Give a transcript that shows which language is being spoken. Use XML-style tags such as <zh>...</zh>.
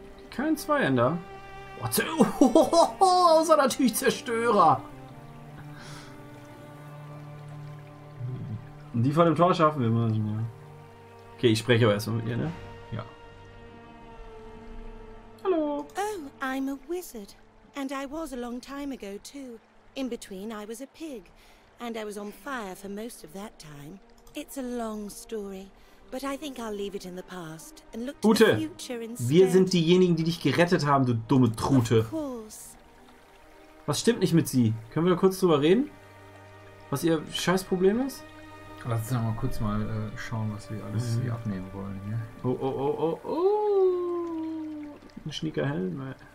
<de>Kein Zweihänder. Oh, außer natürlich Zerstörer. Und die vor dem Tor schaffen wir mal. Ja. Okay, ich spreche aber erstmal mit ihr, ne? Ja. Hallo.</de> <en>Oh, I'm a wizard. And I was a long time ago, too. In between, I was a pig. And I was on fire for most of that time. It's a long story, but I think I'll leave it in the past and look to the future instead.</en> <de>Wir sind diejenigen, die dich gerettet haben, du dumme Trute. Was stimmt nicht mit sie? Können wir da kurz drüber reden? Was ihr Scheißproblem ist? Lass uns nochmal kurz mal schauen, was wir alles hier abnehmen wollen. Ja? Oh, oh, oh, oh, oh. Ein schnicker Helm.</de>